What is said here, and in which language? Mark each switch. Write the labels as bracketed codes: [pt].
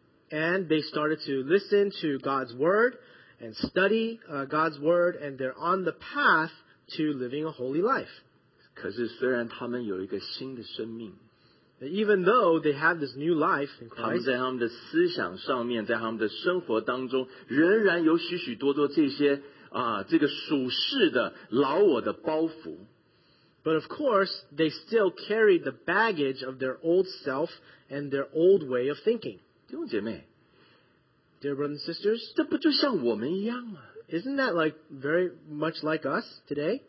[en] And they started to listen to God's word and study God's word, and they're on the path to living a holy life. [zh] 可是虽然他们有一个新的生命, [en] even though they have this new life in Christ, [zh] 他们在他们的思想上面，在他们的生活当中，仍然有许许多多这些这个属世的老我的包袱。 [en] But of course, they still carry the baggage of their old self and their old way of thinking. [zh] 弟兄姐妹, [en] dear brothers and sisters, [zh] 这不就像我们一样吗? [en] Isn't that like very much like us today?